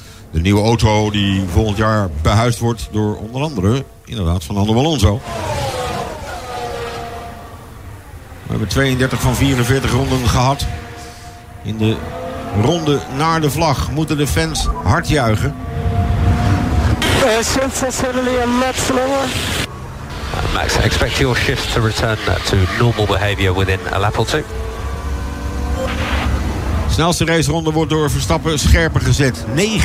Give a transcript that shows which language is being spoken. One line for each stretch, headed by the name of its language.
Dutch: De nieuwe auto die volgend jaar behuisd wordt door onder andere inderdaad Fernando Alonso. We hebben 32 van 44 ronden gehad. In de ronde naar de vlag moeten de fans hard juichen.
English: Sensationally a lot slower. Max, expect your shift to return to normal behavior within a lap or two.
Dutch: Snelste raceronde wordt door Verstappen scherper gezet. 49-3.